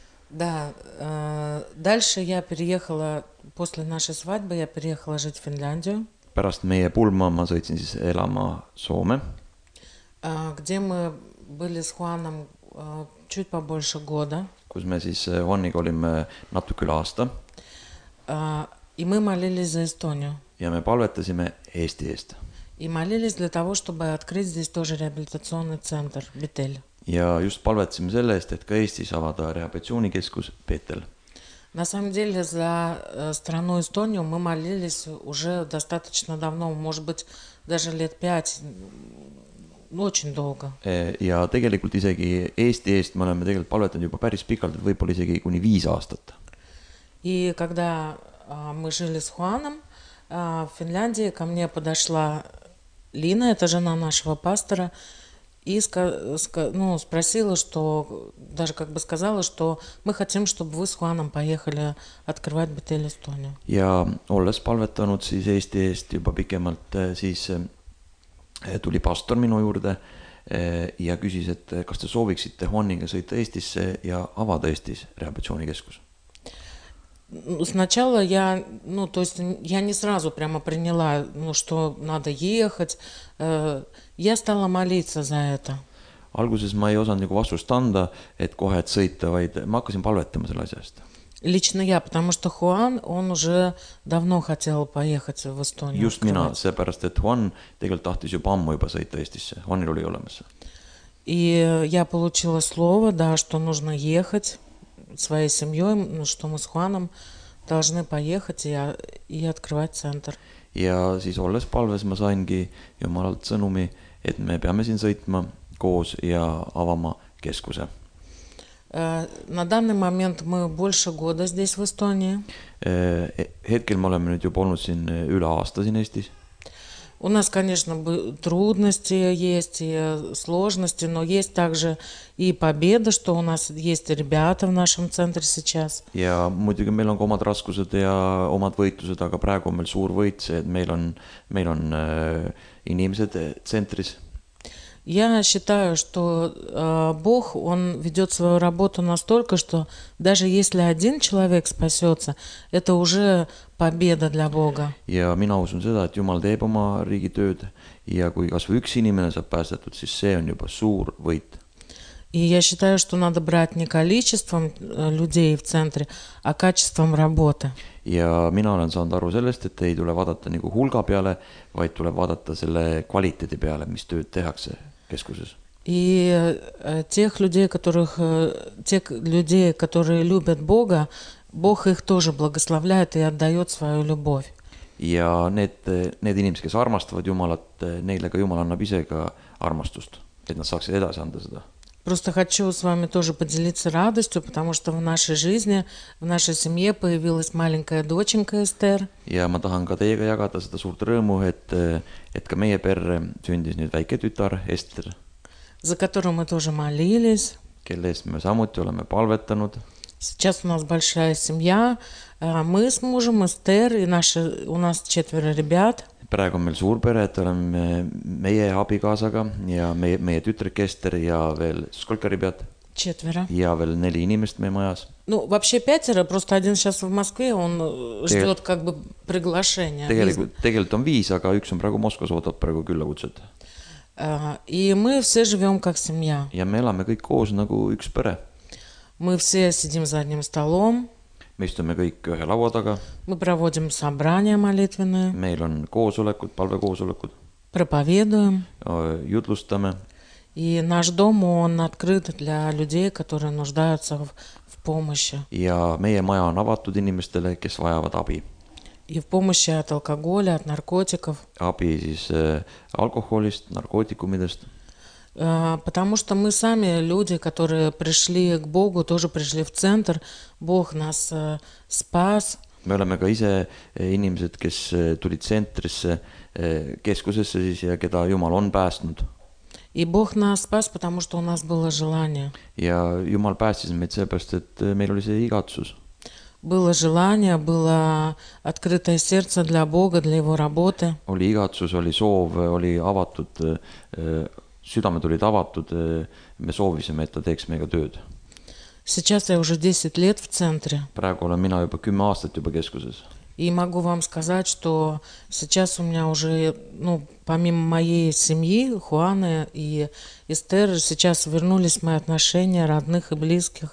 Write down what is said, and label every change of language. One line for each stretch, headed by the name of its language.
Russian: Да, дальше я переехала, после нашей свадьбы я переехала жить в Финляндию.
Estonian: Pärast meie pulma ma sõitsin siis elama Soome.
Russian: Где мы были с Хуаном чуть побольше года.
Estonian: Kus me siis Juaniga olime natuke üle aasta.
Russian: И мы молились за Эстонию.
Estonian: Ja me palvetasime Eesti eest.
Russian: И молились для того, чтобы открыть здесь тоже реабилитационный центр, Бетель.
Estonian: Ja just palvetasime selle eest, et ka Eestis avada rehabilitatsioonikeskus Бетель.
Russian: На самом деле за страну Эстонию мы молились уже достаточно давно, может быть, даже лет 5. Очень долго.
Estonian: Ja tegelikult isegi Eesti eest me oleme tegelikult palvetanud juba päris pikalt, võib-olla isegi kuni 5 aastat.
Russian: И когда мы жили с Хуаном в Финляндии, ко мне подошла Лина, это жена нашего пастора, и спросила, что даже как бы сказала, что мы хотим, чтобы вы с Хуаном поехали открывать Betel Estonia.
Estonian: Ja olles palvetanud siis Eesti eest juba pikemalt, siis tuli pastor minu juurde ja küsis, et kas te sooviksite Huaniga sõita Eestisse ja avada Eestis rehabilitatsioonikeskus.
Russian: Сначала я, ну, то есть я не сразу прямо приняла, ну, что надо ехать. Я стала молиться за это.
Estonian: Alguses ma ei osanud nagu vastust anda, et kohe et sõita, vaid ma hakkasin palvetama selle asja eest.
Russian: Лично я, потому что Хуан, он уже давно хотел поехать в Эстонию.
Estonian: Just mina, seepärast, et Хуан tegelikult tahtis juba ammu juba sõita Eestisse. Хуанil oli olemas.
Russian: И я получила слово, да, что нужно ехать. Своей семьей, ну, что мы с Хуаном должны поехать и открывать центр.
Estonian: Ja siis olles palves ma saingi Jumalalt sõnumi, et me peame siin sõitma koos ja avama keskuse.
Russian: На данный момент мы больше года здесь в Эстонии.
Estonian: Hetkel me oleme nüüd juba olnud siin üle aasta siin Eestis.
Russian: У нас, конечно, трудности есть и сложности, но есть также и победа, что у нас есть ребята в нашем центре сейчас.
Estonian: Ja muidugi meil on ka omad raskused ja omad võitused, aga praegu on meil suur võit, see, et meil on inimesed centris.
Russian: Я считаю, что Бог, он ведет свою работу настолько, что даже если один человек спасется, это уже победа для Бога.
Estonian: Ja mina usun seda, et Jumal teeb oma riigi tööd ja kui kas või üks inimene saab päästetud, siis see on juba suur võit.
Russian: И я считаю, что надо брать не количеством людей в центре, а качеством работы.
Estonian: Ja mina olen saanud aru sellest, et ei tule vaadata nagu hulga peale, vaid tuleb vaadata selle kvaliteedi peale, mis tööd tehakse keskuses.
Russian: И тех людей, которых те люди, которые любят Бога, Бог их тоже благословляет и отдает свою любовь.
Estonian: Ja need inimesed, kes armastavad Jumalat, neile ka Jumal annab ise ka armastust, et nad saaksid edasi anda seda.
Russian: Просто хочу с вами тоже поделиться радостью, потому что в нашей жизни, в нашей семье появилась маленькая доченька Эстер.
Estonian: Ja ma tahan ka teiega jagada seda suurt rõõmu, et ka meie perre sündis nüüd väike tütar Эстер.
Russian: За которую мы тоже молились.
Estonian: Kelle eest me samuti oleme palvetanud.
Russian: Сейчас у нас большая семья. Мы с мужем Эстер и наши, у нас четверо ребят.
Estonian: Praegu on meil suur pere, et oleme meie abikaasaga ja meie tütrek Эстер ja veel
Russian: сколько ребят? Четверо.
Estonian: Ja veel neli inimest meie majas.
Russian: Ну, вообще пятеро, просто один сейчас в Москве, он ждет как бы приглашения.
Estonian: Tegelikult on viis, aga üks on praegu Moskvas, ootab praegu küllakutset.
Russian: И мы все живем как семья.
Estonian: Ja me elame kõik koos nagu üks pere.
Russian: Мы все сидим за одним столом.
Estonian: Me istume kõik ühe laua taga.
Russian: Мы проводим собрания молитвенные.
Estonian: Meil on koosolekud, palvekoosolekud.
Russian: Проповедуем.
Estonian: Jutlustame.
Russian: И наш дом
Estonian: on
Russian: открыт для людей, которые нуждаются в помощи.
Estonian: Ja meie maja on avatud inimestele, kes vajavad abi.
Russian: И в помощи от алкоголя, от наркотиков.
Estonian: Abi siis alkoholist, narkootikumidest.
Russian: Потому что мы сами люди, которые пришли к Богу, тоже пришли в центр. Бог нас спас.
Estonian: Me oleme ka ise inimesed, kes tulid centrisse, keskusesse siis ja keda Jumal on päästnud.
Russian: И Бог нас спас, потому что у нас было желание.
Estonian: Ja Jumal päästis meid sellepärast, et meil oli see igatsus.
Russian: Было желание, было открытое сердце для Бога, для его работы.
Estonian: Oli igatsus, oli soov, oli avatud Südamed olid avatud, me soovisime, et ta teeks meiga tööd.
Russian: Сейчас я уже 10 лет в центре.
Estonian: Praegu olen mina juba 10 aastat juba keskuses.
Russian: И могу вам сказать, что сейчас у меня уже, ну, помимо моей семьи, Хуана и Эстер, сейчас вернулись мои отношения родных и близких.